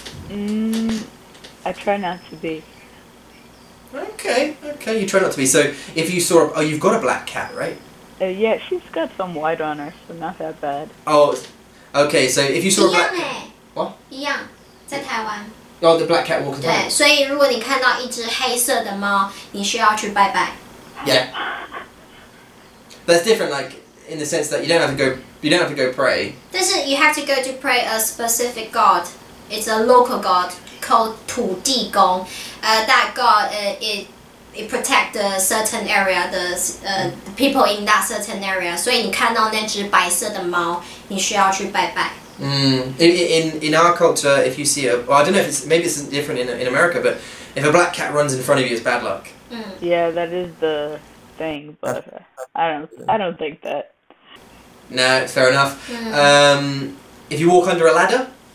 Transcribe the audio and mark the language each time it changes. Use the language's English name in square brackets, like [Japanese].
[English] I try not to be. Okay, you try not to be. So if you saw, you've got a black cat, right? Yeah, she's got some white on her, so not that bad. Oh, okay, so if you saw a black... What? [Chinese] 样，在台湾。 [English] Oh, the black cat walks in town. [Chinese] 对，所以如果你看到一只黑色的猫，你需要去拜拜。 [English] Yeah. That's different, like, in the sense that you don't have to go, you don't have to go pray. [Chinese] 但是 [English] you have to go to pray a specific god. It's a local god called 土地公。 That god, it protects a certain area, the people in that certain area. [Chinese] 所以你看到那只白色的猫，你需要去拜拜。 [English] In our culture, if you see a, well, I don't know if it's, maybe it's different in America, but if a black cat runs in front of you, it's bad luck. Yeah, that is the thing, but I don't think that. No, fair enough. Mm. If you walk under a ladder?